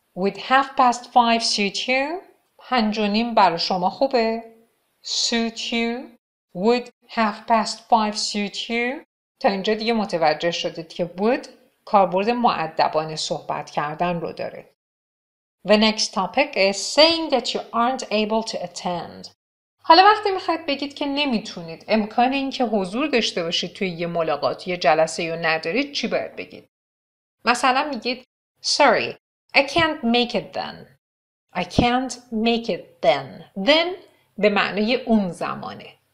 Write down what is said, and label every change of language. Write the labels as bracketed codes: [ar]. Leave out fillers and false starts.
[en] Would 5:30 suit you? 5:30 [fa] برای شما خوبه؟ [en] Suit you? Would 5:30 suit you? [fa] تا اینجا دیگه متوجه شدید که would کاربرد مؤدبانه صحبت کردن رو داره. [en] The next topic is saying that you aren't able to attend. [fa] حالا وقتی میخواید بگید که نمیتونید، امکان این که حضور داشته باشید توی یه ملاقات یه جلسه یا ندارید چی باید بگید؟ مثلا میگید [en] Sorry, I can't make it then. I can't make it then. Then [fa] به معنی اون زمانه.